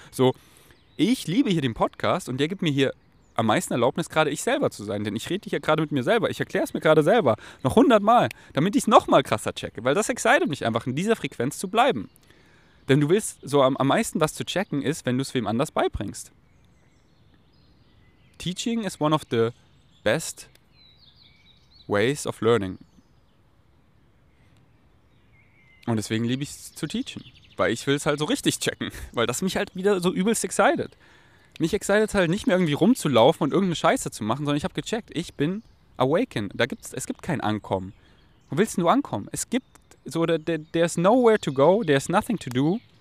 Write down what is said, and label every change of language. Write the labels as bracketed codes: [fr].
[de] So, ich liebe hier den Podcast und der gibt mir hier am meisten Erlaubnis, gerade ich selber zu sein. Denn ich rede hier gerade mit mir selber, ich erkläre es mir gerade selber, noch 100 Mal, damit ich es nochmal krasser checke. Weil das excited mich einfach, in dieser Frequenz zu bleiben. Denn du willst so am meisten was zu checken ist, wenn du es wem anders beibringst. [en] Teaching is one of the best ways of learning. [de] Und deswegen liebe ich es zu teachen. Weil ich will es halt so richtig checken. Weil das mich halt wieder so übelst excited. Mich excited halt nicht mehr irgendwie rumzulaufen und irgendeine Scheiße zu machen, sondern ich habe gecheckt. Ich bin awakened. Es gibt kein Ankommen. Wo willst du ankommen? Es gibt so, [en] there's nowhere to go, there's nothing to do.